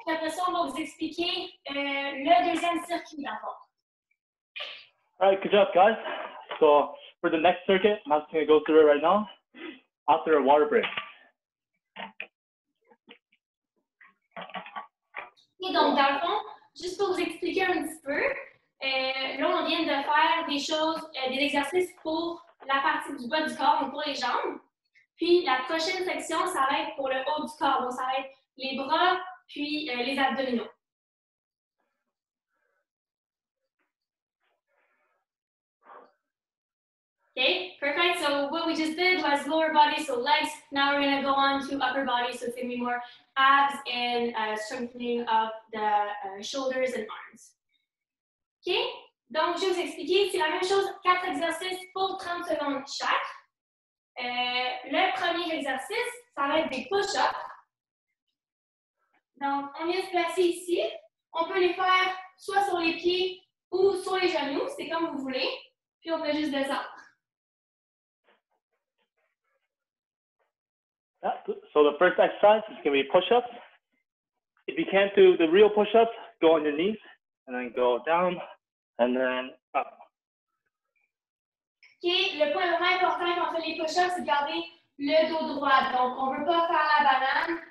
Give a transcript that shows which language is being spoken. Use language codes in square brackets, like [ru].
[fr] Puis après ça, on va vous expliquer le deuxième circuit d'abord. [en] All right, good job, guys. So, for the next circuit, I'm just going to go through it right now. After a water break. [fr] Et donc, dans le fond, juste pour vous expliquer un petit peu, là, on vient de faire des choses, des exercices pour la partie du bas du corps, donc pour les jambes. Puis, la prochaine section, ça va être pour le haut du corps. Donc, ça va être les bras, puis les abdominaux. [en] OK, perfect. So, what we just did was lower body, so legs. Now, we're going to go on to upper body, so it's going to be more abs and strengthening of the shoulders and arms. OK? [fr] Donc, je vous explique, c'est la même chose, 4 exercices pour 30 secondes chaque. Le premier exercice, ça va être des push-ups. Donc, on vient se placer ici. On peut les faire soit sur les pieds ou sur les genoux, c'est comme vous voulez. Puis, on peut juste descendre. [en] Yeah. So the first exercise is going to be push-ups. If you can't do the real push-ups, go on your knees and then go down and then up. [fr] OK, le point vraiment important quand on fait les push-ups, c'est garder le dos droit. Donc, on ne veut pas faire la banane.